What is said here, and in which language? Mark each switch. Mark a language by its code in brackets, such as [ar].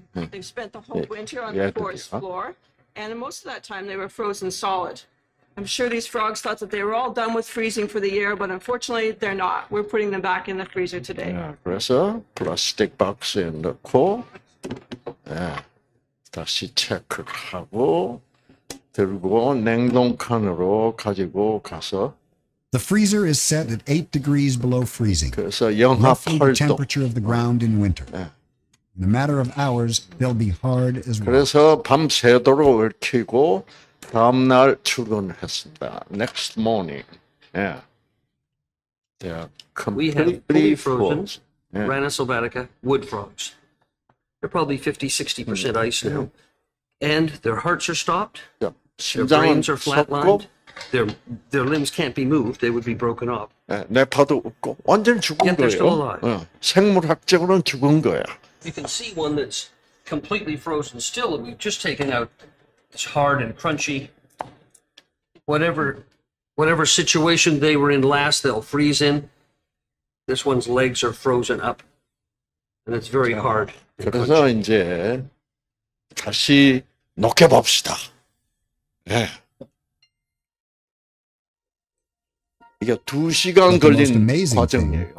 [en] They've spent the whole winter on the forest floor, and most of that time they were frozen solid. I'm sure these frogs thought that they were all done with freezing for the year, but unfortunately they're not. We're putting them back in the freezer today. [ko] 그래서 플라스틱 박스에 넣고 다시 체크하고 들고 냉동칸으로 가지고 가서. [en] The freezer is set at 8 degrees below freezing. [ko] 그래서 영하 8도. [en] The temperature of the ground in winter. In a matter of hours, they'll be hard as rock. [ko] 그래서 밤새도록 얽히고 다음 날 출근했습니다. [en] Next morning. They are completely frozen. We have fully frozen Rana sylvatica wood frogs. They're probably 50-60% ice now. And their hearts are stopped. Their brains are flatlined. Their limbs can't be moved. They would be broken off. [ko] 뇌파도 없고 완전 죽은 [en] Yet [ko] 거예요. [en] They're still alive. [ko] 생물학적으로는 죽은 거야. [en] You can see one that's completely frozen still. We've just taken out. It's hard and crunchy. Whatever situation they were in last, they'll freeze in. This one's legs are frozen up, and it's very hard. [ko] 그래서 이제 다시 녹여봅시다. 이게 두 시간 걸린 과정이에요.